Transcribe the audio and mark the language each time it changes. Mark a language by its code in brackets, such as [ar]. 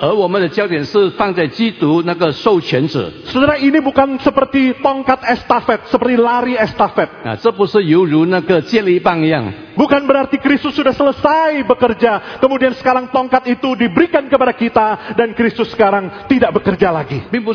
[zh] 而我们的焦点是放在基督那个授权者。 [id] Saudara, ini bukan seperti tongkat estafet, seperti lari estafet. [zh] 这不是犹如那个接力棒一样。 [id] Bukan berarti Kristus sudah selesai bekerja, kemudian sekarang tongkat itu diberikan kepada kita dan Kristus sekarang tidak bekerja lagi.